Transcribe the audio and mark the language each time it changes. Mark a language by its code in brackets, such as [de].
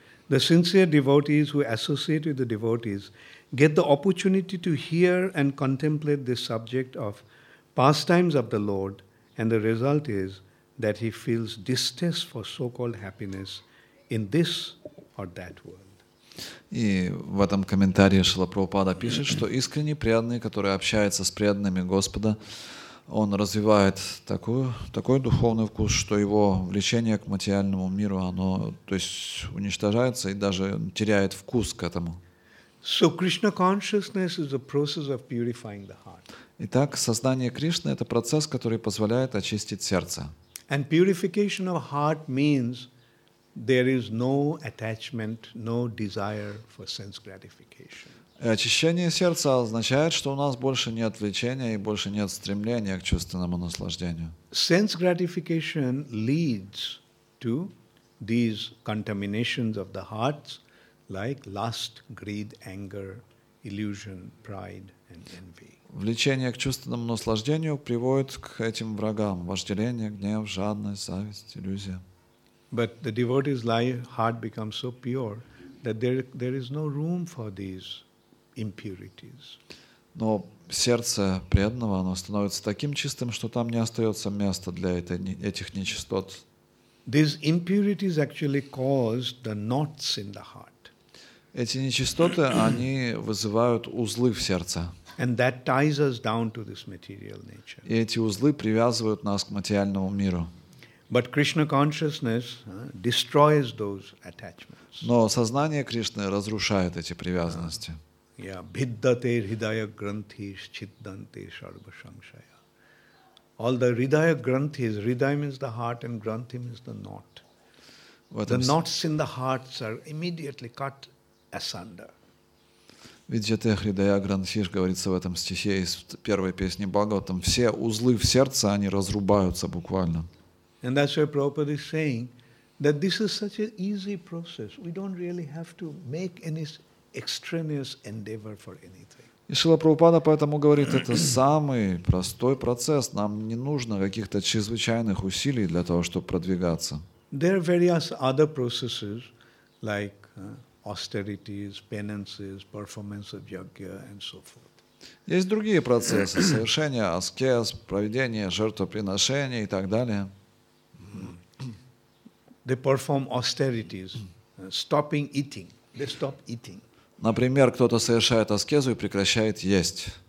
[en] The sincere devotees who associate with the devotees get the opportunity to hear and contemplate this subject of pastimes of the Lord, and the result is that he feels distaste for so-called happiness in this or that world. [ru] И в этом комментарии Шрила Прабхупада пишет, что искренне преданный, который общается с преданными Господа, он развивает такой духовный вкус, что его влечение к материальному миру, оно, то есть, уничтожается и даже теряет вкус к этому. [en] So Krishna consciousness is a process of purifying the heart. [ru] Итак, сознание Кришны — это процесс, который позволяет очистить сердце. [en] And purification of heart means there is no attachment, no desire for sense gratification. [ru] И очищение сердца означает, что у нас больше нет влечения и больше нет стремления к чувственному наслаждению. [en] Sense gratification leads to these contaminations of the hearts, like lust, greed, anger, illusion, pride, and envy. [ru] Влечение к чувственному наслаждению приводит к этим врагам – вожделение, гнев, жадность, зависть, иллюзия. [en] But the devotee's heart becomes so pure that there is no room for these impurities. [ru] Но сердце преданного, оно становится таким чистым, что там не остается места для этих нечистот. [en] These impurities actually cause the knots in the heart. [ru] Эти нечистоты, они вызывают узлы в сердце. [en] And that ties us down to this material nature. [ru] И эти узлы привязывают нас к материальному миру. [en] But Krishna consciousness destroys those attachments. [ru] Но сознание Кришны разрушает эти привязанности. [sa] Yeah, bhiddate hridaya granthis chiddante sarva sanshaya. [en] All the hridaya granthis, hridaya means the heart and granthi means the knot. The knots in the hearts are immediately cut asunder. [sa] Виджате Хридая Грантхиш, [ru] говорится в этом стихе из первой песни Бхагаватам, все узлы в сердце, они разрубаются буквально. [en] And that's why Prabhupada is saying that this is such an easy process. We don't really have to make any extraneous endeavor for anything. [ru] И Шрила Прабхупада поэтому говорит, это самый простой процесс. Нам не нужно каких-то чрезвычайных усилий для того, чтобы продвигаться. [en] There are various other processes, like austerities, penances, performance of yajna, and so forth. [ru] Есть другие процессы: совершение аскез, проведение жертвоприношений и так далее. [en] they perform austerities, stopping eating. They stop eating. [ru] Например, кто-то совершает аскезу и прекращает есть.